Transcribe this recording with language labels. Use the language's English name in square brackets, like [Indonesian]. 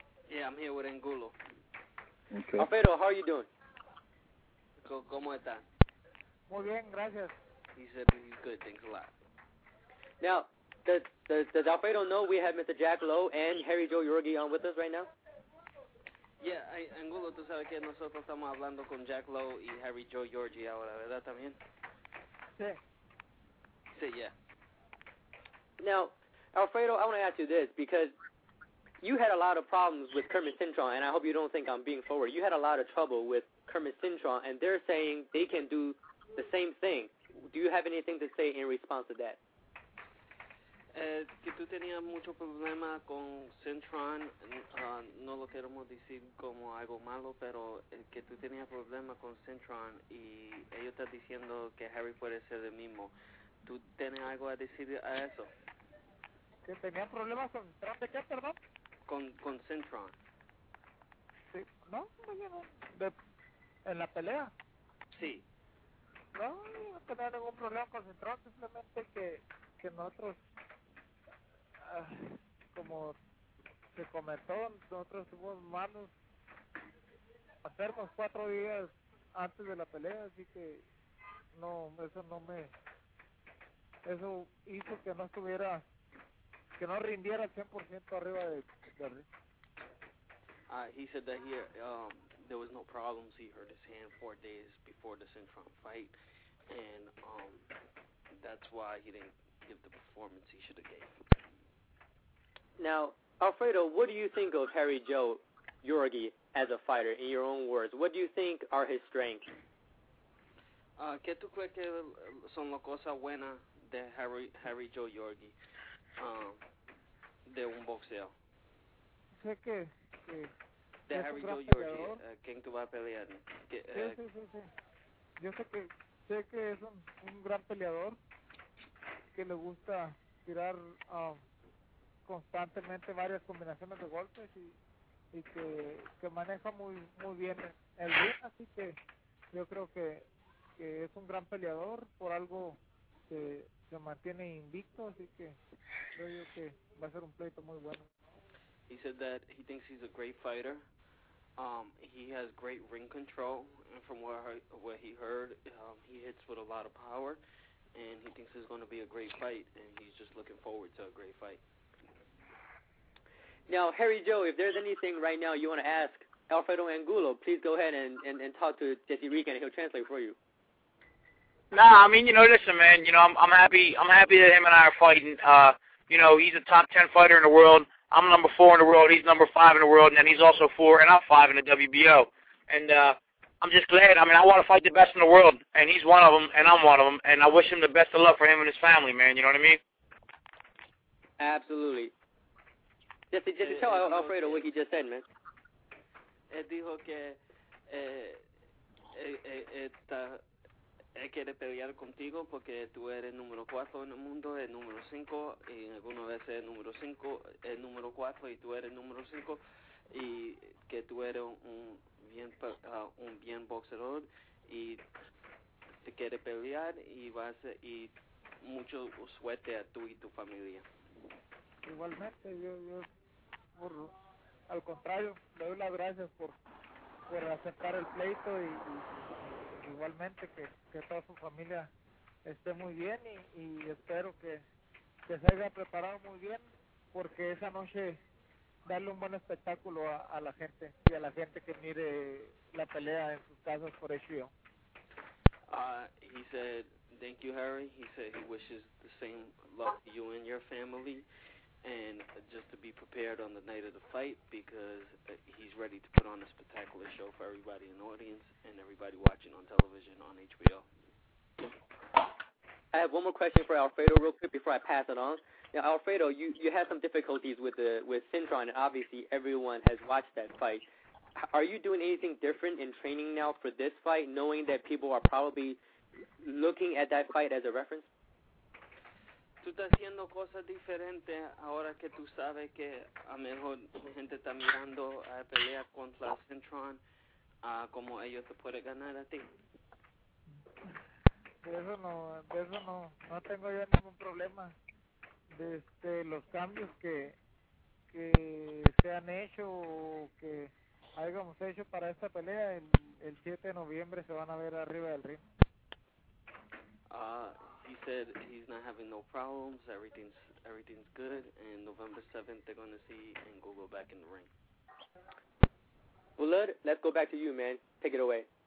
[English] Yeah, I'm here with Angulo. Okay. Alfredo, how are you doing? [Spanish] ¿Cómo está? Muy bien, gracias. [English] He said he's good, thanks a lot. Now, does Alfredo know we have Mr. Jack Lowe and Harry Joe Yorgi on with us right now? [Spanish] Yeah, Angulo, tú sabes que nosotros estamos hablando con Jack Lowe y Harry Joe Yorgi ahora, ¿verdad también? Sí. Sí, yeah. [English] Now, Alfredo, I want to ask you this because you had a lot of problems with Kermit Cintron, and I hope you don't think I'm being forward. You had a lot of trouble with Kermit Cintron, and they're saying they can do the same thing. Do you have anything to say in response to that? [Spanish] Que tú tenías mucho problema con Cintron, no lo queremos decir como algo malo, pero que tú tenías problema con Cintron y ellos están diciendo que Harry puede ser el mismo. ¿Tú tienes algo a decir a eso? Que tenía problemas con Trump, ¿de qué, perdón? Con Cintron. Sí, no, en la pelea. Sí. No, no tenía ningún problema con Cintron, simplemente que nosotros, como se comentó, nosotros estuvimos malos, hacernos 4 días antes de la pelea, así que no, eso no me, eso hizo que no estuviera, que no rindiera 100% arriba de Rick. [English] He said that he, there was no problems. He hurt his hand 4 days before the Cintron fight, and that's why he didn't give the performance he should have gave. Now, Alfredo, what do you think of Harry Joe Yorgi as a fighter, in your own words? What do you think are his strengths? [Spanish] ¿Qué tú crees que son las cosas buenas de Harry Joe Yorgi? De un boxeo. Sé que de Harry Joe Yorgi, ¿quién tú vas a pelear? Sí. Yo sé que es un gran peleador que le gusta tirar constantemente varias combinaciones de golpes y que maneja muy bien el ring, así que yo creo que es un gran peleador por algo que se mantiene invicto, así que creo que va a ser un pleito muy bueno. [English] He said that he thinks he's a great fighter. He has great ring control, and from what he heard, he hits with a lot of power, and he thinks it's going to be a great fight, and he's just looking forward to a great fight. Now, Harry Joe, if there's anything right now you want to ask Alfredo Angulo, please go ahead and talk to Jesse Reakin, and he'll translate for you. Nah, I mean, you know, listen, man, you know, I'm happy that him and I are fighting. You know, he's a top 10 fighter in the world. I'm number 4 in the world. He's number 5 in the world. And then he's also 4, and I'm 5 in the WBO. And I'm just glad. I mean, I want to fight the best in the world, and he's one of them, and I'm one of them. And I wish him the best of luck for him and his family, man. You know what I mean? Absolutely. Just tell Alfredo what he just said, man. [Spanish] Él dijo que está, él quiere pelear contigo porque tú eres número 4 en el mundo, el número 5, y algunas veces el número 5, el número 4, y tú eres el número 5. y que tú eres un bien boxeador y te quieres pelear y vas y mucho suerte a tú y tu familia. Igualmente, yo al contrario, le doy las gracias por aceptar el pleito y igualmente que toda su familia esté muy bien y espero que se haya preparado muy bien porque esa noche darle un buen espectáculo a la gente y a la gente que mire la pelea en sus casas por HBO. [English] He said, thank you, Harry. He said he wishes the same luck to you and your family. And just to be prepared on the night of the fight because he's ready to put on a spectacular show for everybody in the audience and everybody watching on television on HBO. I have one more question for Alfredo real quick before I pass it on. Now, Alfredo, you had some difficulties with Cintron, and obviously everyone has watched that fight. Are you doing anything different in training now for this fight, knowing that people are probably looking at that fight as a reference? [Spanish] Tú estás haciendo cosas diferentes ahora que tú sabes que a lo mejor la gente está mirando a pelear contra Cintron, como ellos te pueden ganar a ti. De eso no tengo yo ningún problema. Desde los cambios que se han hecho o que hayamos hecho para esta pelea, el 7 de noviembre se van a ver arriba del ring. [English] He said he's not having no problems, everything's good, and November 7th they're going to see and go back in the ring. Well, Lud, let's go back to you, man. Take it away.